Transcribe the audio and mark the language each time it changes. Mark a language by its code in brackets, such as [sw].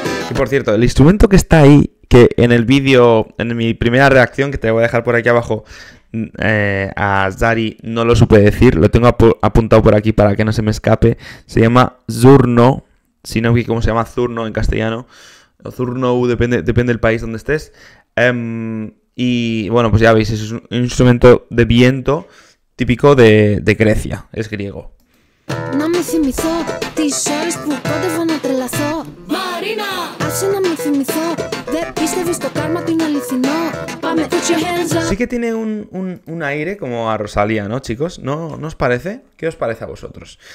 [es] Y por cierto, el instrumento que está ahí, que en el vídeo, en mi primera reacción, que te voy a dejar por aquí abajo, a Zari no lo supe decir, lo tengo apuntado por aquí para que no se me escape, se llama zurno, si no vi cómo se llama zurno en castellano, o zurno, depende del país donde estés, y bueno, pues ya veis, es un instrumento de viento típico de Grecia, es griego. [el] Να μην θυμηθώ τις ώρες που κόντευα να τρελαθώ. Μαρίνα! Άσε να μην θυμηθώ. Δεν πίστευες το κάρμα του είναι αληθινό. Πάμε, [en] put your hands up. [es] Sí que tiene un aire como a Rosalía, ¿no, chicos? ¿No os parece? ¿Qué os parece a vosotros?